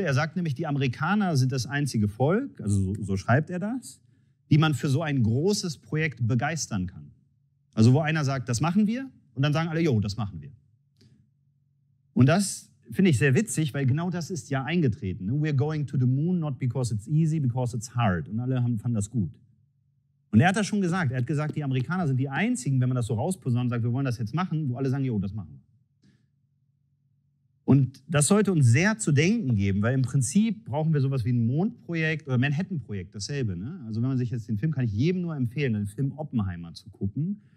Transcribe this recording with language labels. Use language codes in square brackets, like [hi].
[de] Er sagt nämlich, die Amerikaner sind das einzige Volk, also so schreibt er das, die man für so ein großes Projekt begeistern kann. Also wo einer sagt, das machen wir. Und dann sagen alle, jo, das machen wir. Und das finde ich sehr witzig, weil genau das ist ja eingetreten. [en] We're going to the moon, not because it's easy, because it's hard. [de] Und alle fanden das gut. Und er hat das schon gesagt. Er hat gesagt, die Amerikaner sind die einzigen, wenn man das so rausposaunt und sagt, wir wollen das jetzt machen, wo alle sagen, jo, das machen wir. Und das sollte uns sehr zu denken geben, weil im Prinzip brauchen wir sowas wie ein Mondprojekt oder Manhattan-Projekt, dasselbe. Ne? Also wenn man sich jetzt den Film, kann ich jedem nur empfehlen, den Film Oppenheimer zu gucken.